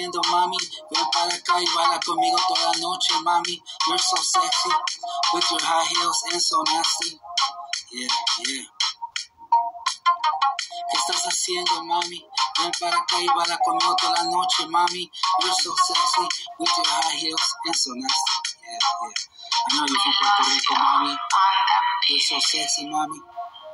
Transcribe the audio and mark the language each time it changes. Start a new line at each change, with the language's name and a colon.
Spanish: Mami, ven para acá y baila conmigo toda la noche, mami.
English: You're so sexy with your high heels and so nasty. Yeah, yeah.
Spanish: ¿Qué estás haciendo, mami? Ven para acá y baila conmigo toda la noche, mami.
English: You're so sexy with your high heels and so nasty. Yeah, yeah. I know you're from Puerto Rico, mami. You're so sexy, mami.